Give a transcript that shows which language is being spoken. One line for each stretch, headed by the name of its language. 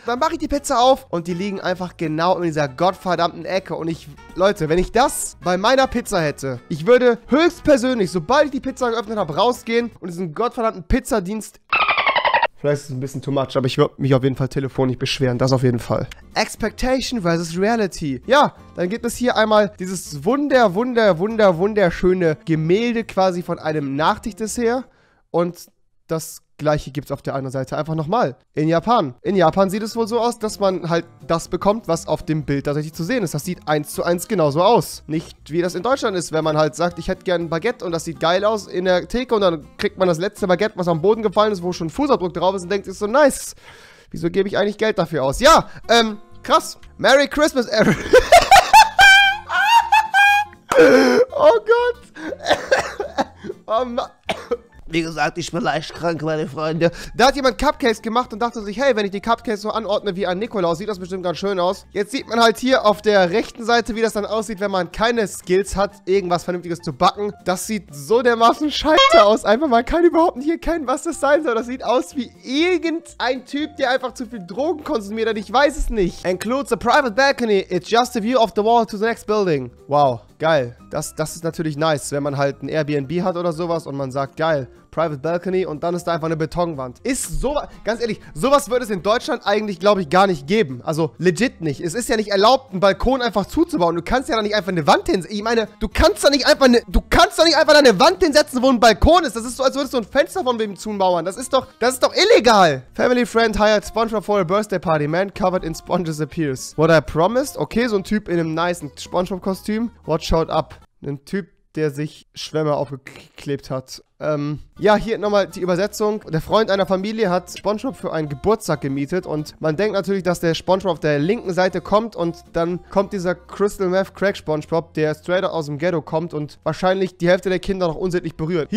German: Dann mache ich die Pizza auf und die liegen einfach genau in dieser gottverdammten Ecke. Und ich, Leute, wenn ich das bei meiner Pizza hätte, ich würde höchstpersönlich, sobald ich die Pizza geöffnet habe, rausgehen und diesen gottverdammten Pizzadienst. Vielleicht ist es ein bisschen
English: too much,
German: aber ich würde mich auf jeden Fall telefonisch beschweren. Das auf jeden Fall.
English: Expectation versus Reality.
German: Ja, dann gibt es hier einmal dieses wunderschöne Gemälde quasi von einem Nachtdessert. Und das gleiche gibt es auf der anderen Seite einfach nochmal. In Japan. In Japan sieht es wohl so aus, dass man halt das bekommt, was auf dem Bild tatsächlich zu sehen ist. Das sieht 1:1 genauso aus. Nicht wie das in Deutschland ist, wenn man halt sagt, ich hätte gern ein Baguette und das sieht geil aus in der Theke und dann kriegt man das letzte Baguette, was am Boden gefallen ist, wo schon Fußabdruck drauf ist und denkt, ist so nice. Wieso gebe ich eigentlich Geld dafür aus? Ja, krass.
English: Merry Christmas, Aaron.
German: Oh Gott. Oh Mann. Wie gesagt, ich bin leicht krank, meine Freunde. Da hat jemand Cupcakes gemacht und dachte sich, hey, wenn ich die Cupcakes so anordne wie an Nikolaus, sieht das bestimmt ganz schön aus. Jetzt sieht man halt hier auf der rechten Seite, wie das dann aussieht, wenn man keine Skills hat, irgendwas Vernünftiges zu backen. Das sieht so dermaßen scheiße aus. Einfach, man kann überhaupt nicht erkennen, was das sein soll. Das sieht aus wie irgendein Typ, der einfach zu viel Drogen konsumiert hat. Ich weiß es nicht.
English: Includes a private balcony. It's just a view of the wall to the next building. Wow.
German: Geil, das ist natürlich nice, wenn man halt ein Airbnb hat oder sowas und man sagt, geil,
English: Private Balcony
German: und dann ist da einfach eine Betonwand. Ist so, ganz ehrlich, sowas würde es in Deutschland eigentlich, glaube ich, gar nicht geben. Also, legit nicht. Es ist ja nicht erlaubt, einen Balkon einfach zuzubauen. Du kannst ja da nicht einfach eine Wand hinsetzen. Ich meine, du kannst da nicht einfach eine Wand hinsetzen, wo ein Balkon ist. Das ist so, als würdest du ein Fenster von wem zumauern. Das ist doch illegal.
English: Family friend hired SpongeBob for a birthday party. Man covered in sponges appears. What I promised?
German: Okay, so ein Typ in einem nicen SpongeBob-Kostüm.
English: What showed up?
German: Ein Typ, der sich Schwämme aufgeklebt hat. Ja, hier nochmal die Übersetzung. Der Freund einer Familie hat SpongeBob für einen Geburtstag gemietet und man denkt natürlich, dass der SpongeBob auf der linken Seite kommt und dann kommt dieser Crystal Meth Crack SpongeBob, der straight aus dem Ghetto kommt und wahrscheinlich die Hälfte der Kinder noch unsittlich berührt.